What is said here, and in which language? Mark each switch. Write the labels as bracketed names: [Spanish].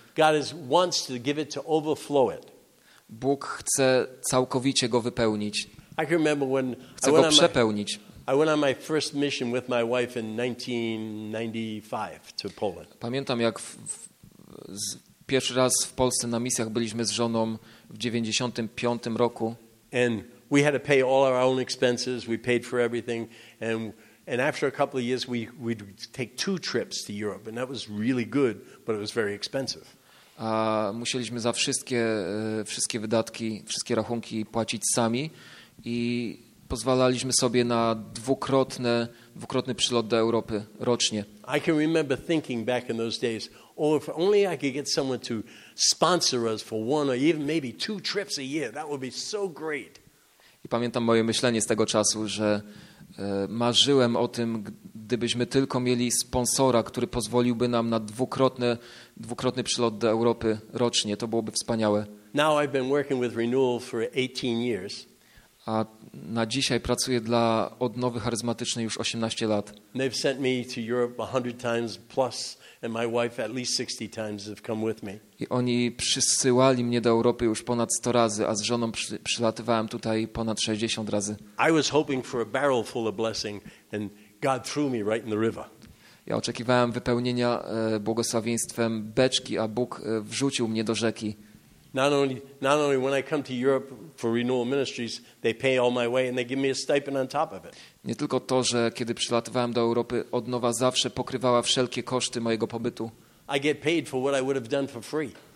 [English] God is wants to give it to overflow it. [Polish] Bóg chce całkowicie go wypełnić. [English] I can remember when [Polish] chce go przepełnić. [English] I went on my first mission with my wife in 1995 to Poland. [Polish] Pamiętam, jak pierwszy raz w Polsce na misjach byliśmy z żoną w 1995 roku. [English] And we had to pay all our own expenses. We paid for everything, and after a couple of years, we'd take two trips to Europe, and that was really good, but it was very expensive. [Polish] A musieliśmy za wszystkie wydatki, wszystkie rachunki płacić sami i pozwalaliśmy sobie na dwukrotny przylot do Europy rocznie. [English] I can remember thinking back in those days, oh, if only I could get someone to sponsor us for one or even maybe two trips a year, that would be so great. [Polish] I pamiętam moje myślenie z tego czasu, że marzyłem o tym, gdybyśmy tylko mieli sponsora, który pozwoliłby nam na dwukrotny przylot do Europy rocznie. To byłoby wspaniałe. [English] Now I've been working with Renewal for 18 years. [Polish] A na dzisiaj pracuję dla Odnowy Charyzmatycznej już 18 lat. [English] They've sent me to Europe 100 times plus, and my wife at least 60 times have come with me. [Polish] I oni przysyłali mnie do Europy już ponad 100 razy, a z żoną przylatywałem tutaj ponad 60 razy. [English] I was hoping for a barrel full of blessing, and God threw me right in the river. [Polish] Ja oczekiwałem wypełnienia błogosławieństwem beczki, a Bóg wrzucił mnie do rzeki. [English] Not only when I come to Europe for Renewal Ministries, they pay all my way and they give me a stipend on top of it. [Polish] Nie tylko to, że kiedy przylatywałem do Europy, Odnowa zawsze pokrywała wszelkie koszty mojego pobytu. [English] I get paid for what I would have done for free.